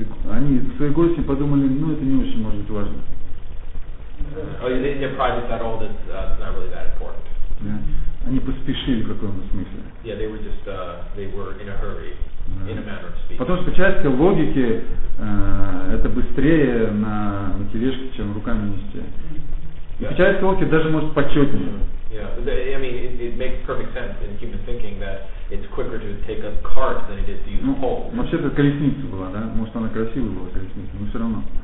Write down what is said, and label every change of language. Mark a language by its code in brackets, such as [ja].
[ru] Они в своей гости подумали, ну это не очень может быть важно. [en] Oh, in their pride, that all that's not really that important. Yeah. [ru] Они поспешили в каком-то смысле. [en] Yeah, they were just they were in a hurry, yeah. In a matter of speech. [ru] Потому что часть логики это быстрее на тележке, чем руками нести. [en] Yeah. [ru] И часть логики даже может почетнее. [en] Yeah, I mean, it makes perfect sense in human thinking that it's quicker to take a cart than it is to use a pole. [ru] Вообще-то колесница была, да? Может, она красивая была, колесница, но все равно.